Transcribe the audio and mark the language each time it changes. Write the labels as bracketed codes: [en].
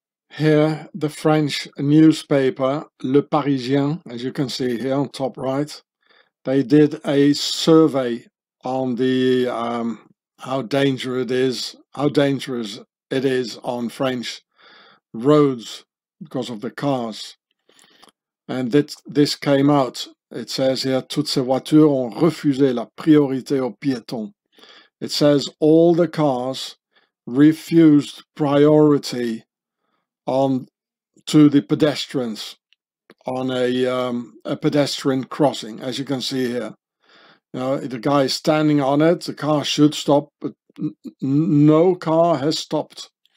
[en] Here, the French newspaper Le Parisien, as you can see here on top right, they did a survey on the how dangerous it is on French roads because of the cars. And this came out. [fr] It says here, toutes ces voitures ont refusé la priorité aux piétons. [en] It says all the cars refused priority to the pedestrians on a pedestrian crossing, as you can see here. You know, the guy is standing on it, the car should stop, but no car has stopped.